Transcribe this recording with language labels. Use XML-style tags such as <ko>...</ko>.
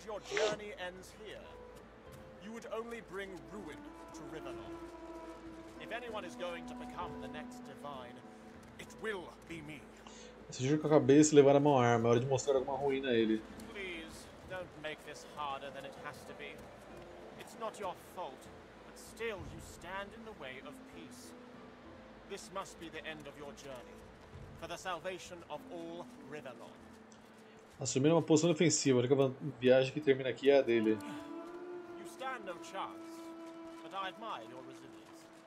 <en>Journey ends here. You would only bring ruin to Rivenor. If anyone is going to become the next divine, it will be me.</en> <pt>Se jura com a cabeça e levar a mão à arma, é hora de mostrar alguma ruína a ele.</pt> <en>Please, don't make this harder than it has to be. It's not your fault, but still you stand in the way of peace. This must be the end of your journey, for the salvation of all Rivenor.</en> <pt>Assumindo uma posição defensiva, a única viagem que termina aqui é a dele.</pt> <en>You stand no chance, but I admire your resilience.</en>